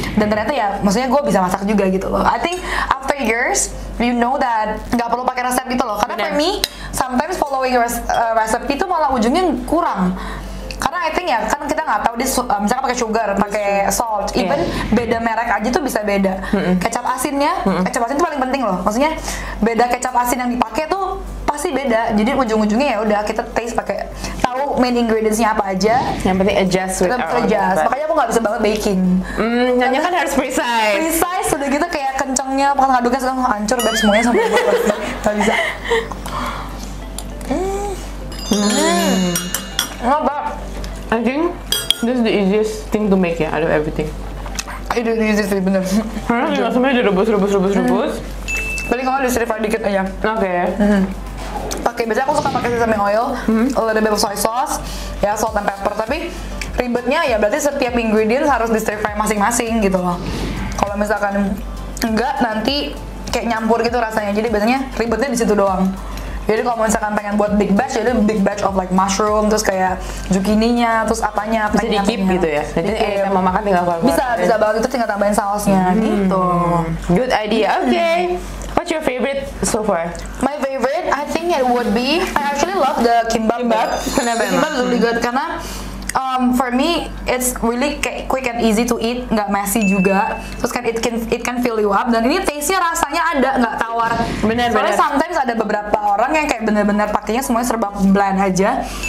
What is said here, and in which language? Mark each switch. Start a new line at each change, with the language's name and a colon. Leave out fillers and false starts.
Indonesian: Dan ternyata ya maksudnya gue bisa masak juga gitu loh.
English: I think after years you know that
Indonesian: enggak perlu pakai resep gitu loh. Karena
English: for me sometimes following recipe
Indonesian: itu malah ujungnya kurang. Karena I think ya kan kita enggak tahu dia misalkan pakai sugar, pakai salt, even beda merek aja tuh bisa beda. Mm-mm. Kecap asinnya, kecap asin itu paling penting loh. Maksudnya beda kecap asin yang dipakai tuh pasti beda. Jadi ujung-ujungnya ya udah kita taste pakai tahu main ingredients-nya apa aja. Yang penting
English: adjust with our
Indonesian: adjust. Makanya aku enggak bisa banget baking. Nyanya kan harus precise. Precise udah gitu kayak kencengnya pakai ngaduknya sekarang hancur dan semuanya sampai enggak bisa.
English: Not bad. I think this is the easiest thing to make ya, out of everything. It is the easiest thing, bener.
Indonesian: Karena ini langsungnya direbus. Paling kalau di stir-fry dikit aja. Oke. Okay. Pakai biasanya aku suka pakai sesame oil,
English: a little bit of soy sauce,
Indonesian: ya
English: salt and pepper.
Indonesian: Tapi ribetnya ya berarti setiap ingredient harus di stir-fry masing-masing gitu loh. Kalau misalkan enggak nanti kayak nyampur gitu rasanya. Jadi biasanya ribetnya di situ doang. Jadi kalau misalkan pengen buat big batch, jadi
English: big batch of like mushroom,
Indonesian: terus kayak zucchininya, terus apanya, bisa di keep gitu ya. Jadi kayak mau makan tinggal keluar. Bisa banget itu tinggal tambahin sausnya gitu.
English: Good idea. Okay. What's your favorite so far? My favorite, I think it would be. I actually love the kimbap.
Indonesian: Kenapa?
English: Kimbap is really good karena for me it's really quick and easy to eat,
Indonesian: nggak messy juga. Terus kan
English: it can fill you up
Indonesian: dan ini taste-nya rasanya ada, nggak tawar. Benar-benar. Soalnya sometimes ada beberapa orang yang kayak benar-benar pakainya semuanya serba bland aja.